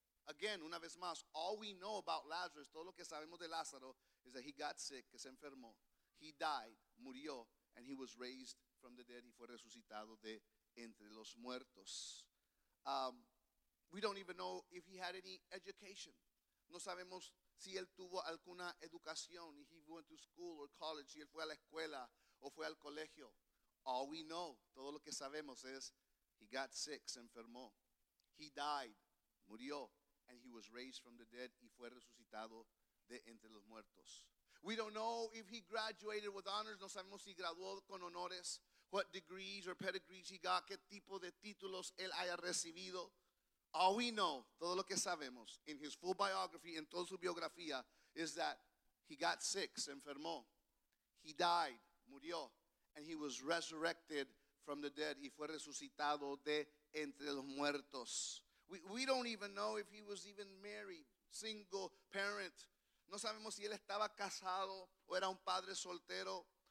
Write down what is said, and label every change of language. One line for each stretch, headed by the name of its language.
English: Again,
Spanish: una vez más,
English: all we know about Lazarus,
Spanish: todo lo que sabemos de Lázaro,
English: is that he got sick,
Spanish: que se enfermó.
English: He died,
Spanish: murió,
English: and he was raised from the dead.
Spanish: Y fue resucitado de entre los muertos.
English: We don't even know if he had any education.
Spanish: No sabemos si él tuvo alguna educación.
English: He went to school or college.
Spanish: Si él fue a la escuela o fue al colegio.
English: All we know,
Spanish: todo lo que sabemos es,
English: he got sick,
Spanish: se enfermó.
English: He died,
Spanish: murió,
English: and he was raised from the dead
Spanish: y fue resucitado de entre los muertos.
English: We don't know if he graduated with honors.
Spanish: No sabemos si graduó con honores.
English: What degrees or pedigrees he got,
Spanish: qué tipo de títulos él haya recibido.
English: All we know,
Spanish: todo lo que sabemos,
English: in his full biography,
Spanish: en toda su biografía,
English: is that he got sick,
Spanish: se enfermó.
English: He died,
Spanish: murió,
English: and he was resurrected from the dead,
Spanish: y fue resucitado de entre los muertos.
English: We don't even know if he was even married, single parent.
Spanish: No sabemos si él estaba casado o era un padre soltero.